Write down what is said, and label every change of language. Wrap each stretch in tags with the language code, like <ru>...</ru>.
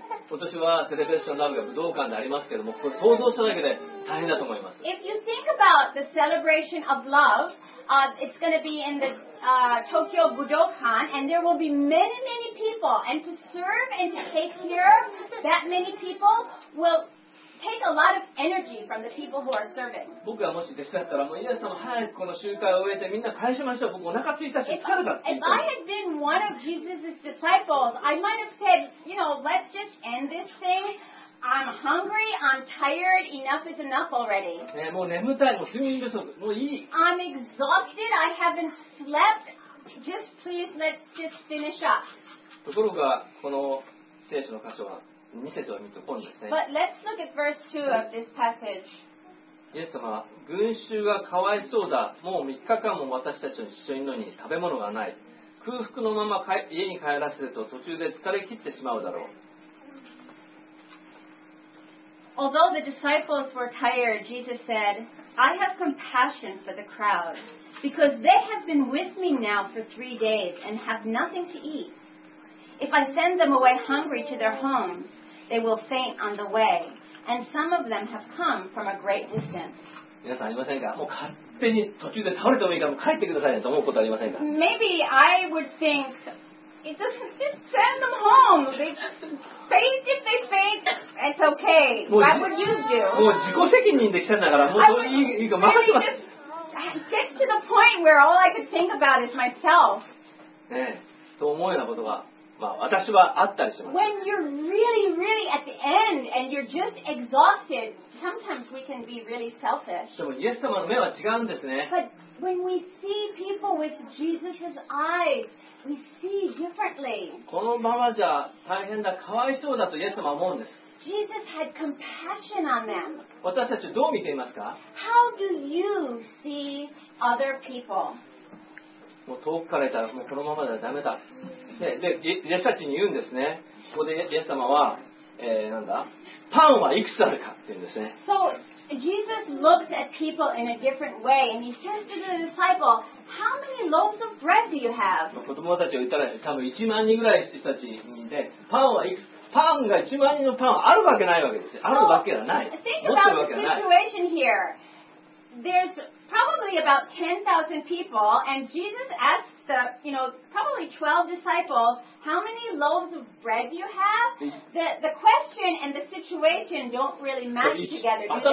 <ja>今年はセレブレーションラブが武道館でありますけども、これ想像しただけで大変だと思います。</ja> <en>If you think about the celebration of love, it's going to be in the Tokyo Budokan, and there will be many, many people. And to serve and to take care of that many people will take a lot of energy from the people who are serving.</en> <ja>僕がもし弟子だったら、もうイエス様早くこの集会を終えてみんな返しましょう。僕お腹空いたし疲れたって言ったら。</ja> <en>If I had been one of Jesus' disciples, I might have said, you know, let's just end this thing. I'm hungry. I'm tired. Enough is enough already.</en> <ja>もう眠たい。もう睡眠不足。もういい。</ja> <en>I'm exhausted. I haven't slept. Just please let's just finish up.</en> <ja>ところがこの聖書の箇所は。</ja> <en>But let's look at verse 2 of this passage.</en> <ja>イエス様は、群衆がかわいそうだ。もう3日間も私たちと一緒にいるのに食べ物がない。空腹のまま家に帰らせると途中で疲れ切ってしまうだろう。</ja> <en>Although the disciples were tired, Jesus said, I have compassion for the crowd, because they have been with me now for 3 days and have nothing to eat. If I send them away hungry to their homes, they will faint on the way. And some of them have come from a great distance.</en> <ja>皆さんありませんか? もう勝手に途中で倒れてもいいから帰ってくださいねと思うことありませんか?</ja> <en>Maybe I would think, it doesn't just send them home. They faint if they faint, it's okay. What would you do?</en> <ja>もう自己責任で来たんだから、もうどういいか任せます。</ja> <en>I would get to the point where all I could think about is myself.</en> <ja>ねえ、と思うようなことが。まあ、私はあったりします。</ja> <en>When you're really, really at the end and you're just exhausted, sometimes we can be really selfish.</en> <ja>でもイエス様の目は違うんですね。</ja> <en>But when we see people with Jesus' eyes, we see differently.</en> <ja>このままじゃ大変だ、かわいそうだとイエス様は思うんです。</ja> <en>Jesus had compassion on them.</en> <ja>私たちどう見ていますか?</ja> <en>How do you see other people?</en> <ja>もう遠くからいたらもうこのままじゃダメだ。で、弟子たちに言うんですね。ここでイエス様は、なんだ、パンはいくつあるかって言うんですね。</ja> <en>So, Jesus looks at people in a different way, and he says to the disciple, How many loaves of bread do you have?</en> <ja>子供たちを言ったら、多分1万人ぐらいの人たちにね、パンはいくつ、パンが1万人のパンはあるわけないわけですよ。あるわけがない。</ja> <en>So, think about the situation here. There's probably about 10,000 people, and Jesus asks,you know, probably 12 disciples, how many loaves of bread do you have? The question and the situation don't really match together</en>